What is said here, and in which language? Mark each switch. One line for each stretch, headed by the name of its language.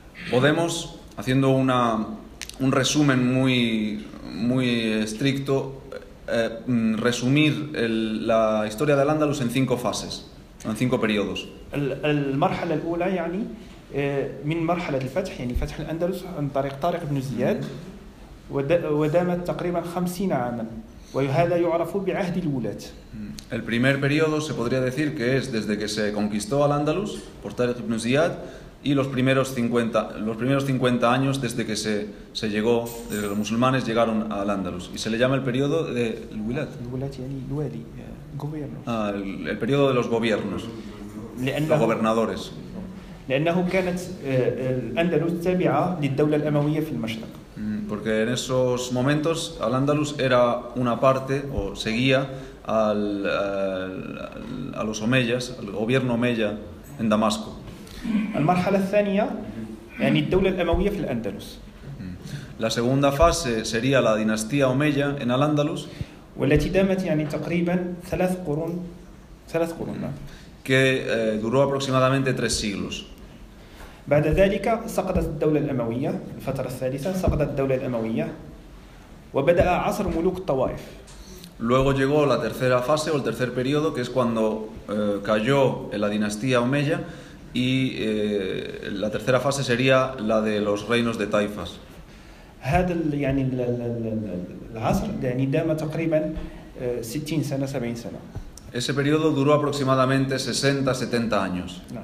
Spanish: Podemos, haciendo un resumen muy, muy estricto, resumir la historia de Al-Andalus en cinco fases, en cinco periodos.
Arabic: المرحلة الأولى يعني من مرحلة الفتح, يعني فتح الأندلس عن طريق طارق بن زياد, ودامت تقريبا 50 عاما, وهذا يعرف بعهد الولاة.
Spanish: El primer periodo se podría decir que es desde que se conquistó Al-Andalus por Tariq ibn Ziyad y los primeros 50 años desde que se llegó, desde que los musulmanes llegaron a Al-Andalus, y se le llama el periodo de الولاد.
Arabic: الولاد يعني الوالي,
Spanish: gobierno. El periodo de los gobiernos. لأنه, los gobernadores.
Arabic: لأنه كانت الأندلس تابعة للدولة الأموية في المشرق.
Spanish: Porque en esos momentos Al-Andalus era una parte o seguía a los Omeyas, al gobierno Omeya en Damasco.
Arabic: المرحلة الثانية يعني الدولة الأموية في الأندلس.
Spanish: La segunda fase sería la dinastía Omeya en Al-Andalus.
Arabic: والتي دامت يعني تقريبا ثلاث قرون.
Spanish: Que duró aproximadamente tres siglos.
Arabic: بعد ذلك سقطت الدولة الأموية, الفترة الثالثة سقطت الدولة الأموية, وبدأ عصر ملوك الطوائف.
Spanish: Luego llegó la tercera fase o el tercer periodo, que es cuando cayó la dinastía Omeya, y la tercera fase sería la de los reinos de Taifas.
Arabic: هذا يعني العصر يعني دام تقريبا 60 سنة 70 سنة.
Spanish: Ese periodo duró aproximadamente 60-70 años.